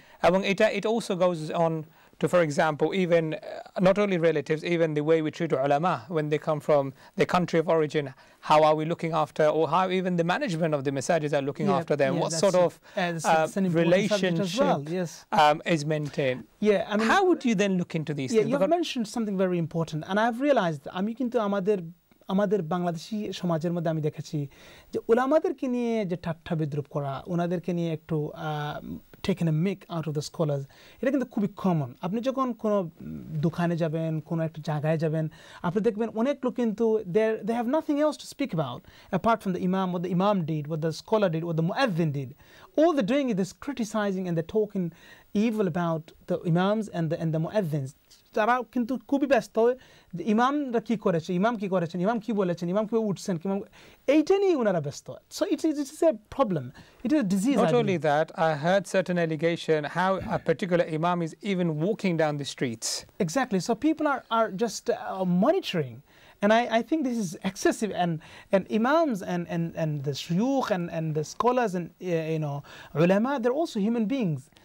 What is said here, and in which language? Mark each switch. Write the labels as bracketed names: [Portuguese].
[Bangla] Ebong eta, [English] it also goes on to, for example, even not only relatives, even the way we treat ulama when they come from the country of origin. How are we looking after, or how even the management of the masajids are looking after them? Yeah, what sort of relationship is maintained? Yeah, I mean, how would you then look into these things? You've mentioned something very important, and I've realized, I mean, [Bangla] kintu amader আমাদের বাংলাদেশি সমাজের মধ্যে আমি দেখেছি যে উলামাদেরকে নিয়ে যে ঠাট্টা বিদ্রুপ করা, ওনাদেরকে নিয়ে একটু [English] taking a mic out of the scholars, [Bangla] এটা কিন্তু খুবই কমন। আপনি যখন কোনো দোকানে যাবেন, কোনো একটা জায়গায় যাবেন, আপনি দেখবেন অনেক লোক কিন্তু [English] they have nothing else to speak about apart from the imam, what the imam did, what the scholar did, what the muezzin did. All they're doing is this criticizing and they're talking evil about the imams and the muezzins. [Bangla] তারা কিন্তু খুবই ব্যস্ত, ইমামরা কী করেছে, ইমাম কী করেছেন, ইমাম কী বলেছেন, ইমাম কী উঠছেন, ইমাম এইটা নিয়েই ওনারা ব্যস্ত। [English] So it's a problem, it is a disease. Not only that, I heard certain allegation how a particular imam is even walking down the streets. Exactly, so people are just monitoring. And I think this is excessive, and imams and the shuyukh and the scholars and you know ulama, they're also human beings.